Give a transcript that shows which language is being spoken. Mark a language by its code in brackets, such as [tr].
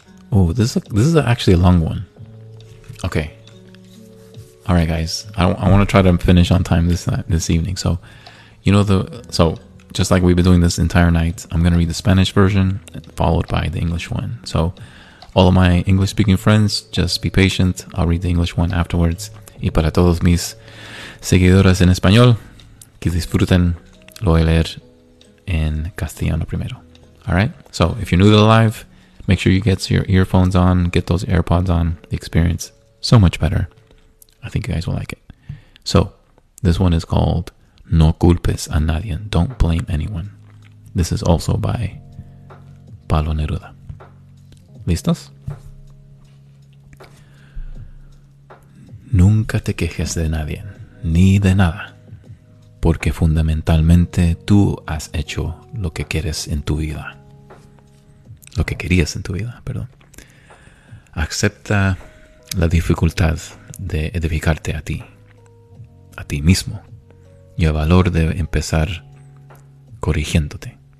[en] Oh, this is actually a long one. Okay. All right, guys. I want to try to finish on time this evening. So, you know, just like we've been doing this entire night, I'm going to read the Spanish version followed by the English one. So, all of my English speaking friends, just be patient. I'll read the English one afterwards. [es] Y para todos mis seguidores en español, que disfruten, lo voy a leer en castellano primero. [en] All right? So, if you're new to the live, make sure you get your earphones on, get those AirPods on. The experience so much better. I think you guys will like it. So, this one is called No culpes a nadie. Don't blame anyone. This is also by Pablo Neruda. [es] ¿Listos? Nunca te quejes de nadie, ni de nada, porque fundamentalmente tú has hecho lo que quieres en tu vida. Lo que querías en tu vida, perdón. Acepta la dificultad de edificarte a ti mismo, y el valor de empezar corrigiéndote.